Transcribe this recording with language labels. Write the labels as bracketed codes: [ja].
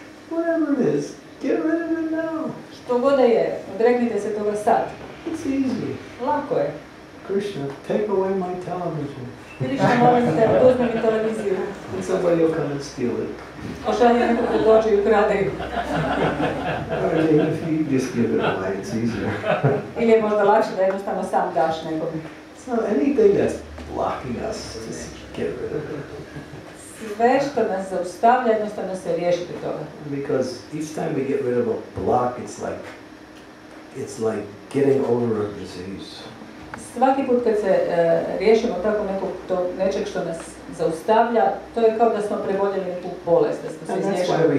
[en] Whatever it is, get rid of it now. [hr] Što god da je, odreknite se toga sad. [en] It's easy. [hr] Lako je. [en] Krishna, take away my television. [hr] Krishna, molim te, oduzmi mi televiziju. [en] And somebody will come and steal it. [hr] Ošalje neko ko dođe i ukrade ju. [en] Or even if you just give it away, it's easier. [hr] Ili je možda lakše da jednostavno sam daš nekom. [en] So anything that's blocking us, just get rid of it. [hr] Sve što nas zaustavlja, jednostavno se riješite toga. [en] Because each time we get rid of a block, it's like getting over a disease. [hr] Svaki put kad se riješimo tako nekog nečeg što nas zaustavlja, to je kao da smo preboljeli neku bolest, da smo se izliječili bolest.